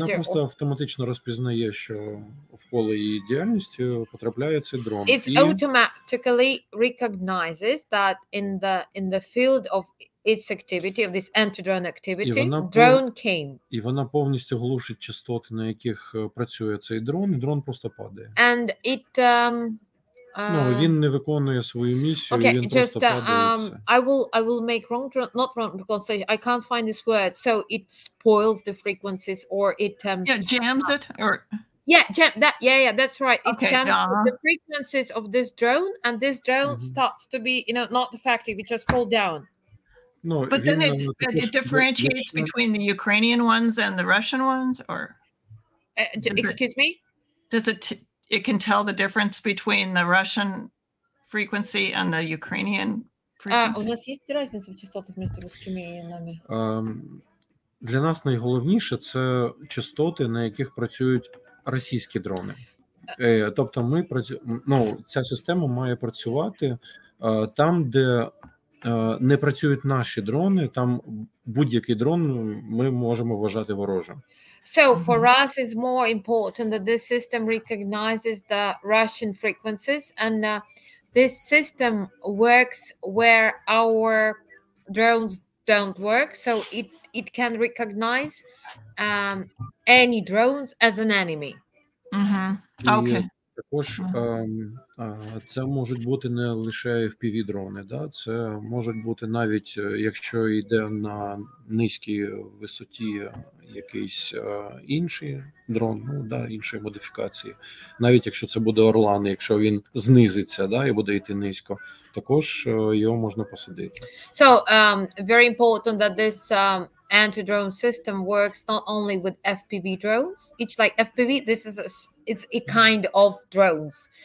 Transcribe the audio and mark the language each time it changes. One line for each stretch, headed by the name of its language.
Ukrainian: Вона просто автоматично розпізнає, що в поле її діяльності потрапляє цей дрон.
English: It automatically recognizes that in the field of its activity, of this anti-drone activity, drone came.
Ukrainian: І вона повністю глушить частоти, на яких працює цей дрон, і дрон просто падає.
English: And it
Ukrainian: він не виконує свою місію, okay, він
English: just,
Ukrainian: просто падає.
English: I will make wrong, not wrong, because I can't find this word. So it spoils the frequencies, or it jams it, or that's right. It jams the frequencies of this drone, and this drone starts to be, you know, not effective. It just falls down. No, but then it differentiates between the Ukrainian ones and the Russian ones, or excuse me, does it? It can tell the difference between the Russian frequency and the Ukrainian frequency.
Ukrainian: Для нас найголовніше це частоти, на яких працюють російські дрони. Тобто ця система має працювати там, де не працюють наші дрони, там будь-який дрон ми можемо вважати ворожим.
English: So for us it's more important that this system recognizes the Russian frequencies and this system works where our drones don't work, so it can recognize any drones as an enemy.
Ukrainian: Угу. Окей. Також це можуть бути не лише FPV дрони, да? Це можуть бути навіть якщо йде на низькій висоті якийсь інший дрон, ну да, іншої модифікації. Навіть якщо це буде Орлан, якщо він знизиться, да, і буде йти низько, також його можна посадити.
English: So, very important that this anti-drone system works not only with FPV drones. It's like FPV, this is it's a kind of drones.